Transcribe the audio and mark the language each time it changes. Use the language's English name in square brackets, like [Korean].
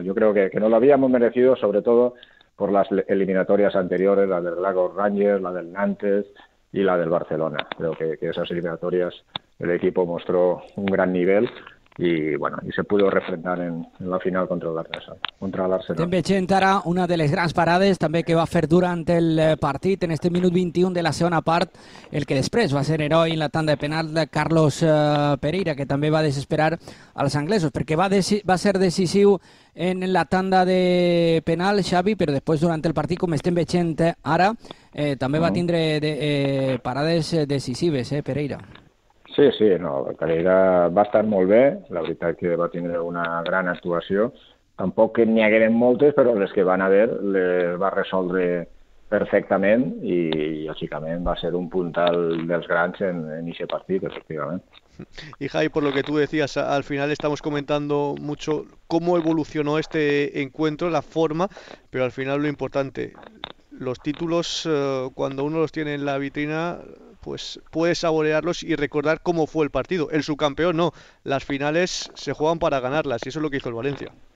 [Spanish] Yo creo que no lo habíamos merecido, sobre todo por las eliminatorias anteriores, la del Lagos Rangers, la del Nantes y la del Barcelona. Creo que esas eliminatorias el equipo mostró un gran nivel. Y bueno, y se pudo refrendar en la final contra el [Catalan] Estem [Spanish] Arsenal. [Catalan] veient ara una de les grans parades també que va fer durant el partit en este minut 21 de la segona part el que després va ser heroi en la tanda de penal de Carlos Pereira que també va desesperar als anglesos perquè va ser decisiu en la tanda de penal Xavi, però després durant el partit com estem veient ara també va tindre parades decisives Pereira. Sí, no, Pereira va estar molt bé, la veritat que va tindre una gran actuació. Tampoc que n'hi hagueren moltes, però les que van haver les va resoldre perfectament i lògicament va ser un puntal dels grans en aquest partit, efectivament. [Spanish] Y Jai, por lo que tú decías, al final estamos comentando mucho cómo evolucionó este encuentro, la forma, pero al final lo importante, los títulos, cuando uno los tiene en la vitrina, pues puedes saborearlos y recordar cómo fue el partido. El subcampeón no, las finales se juegan para ganarlas y eso es lo que hizo el Valencia.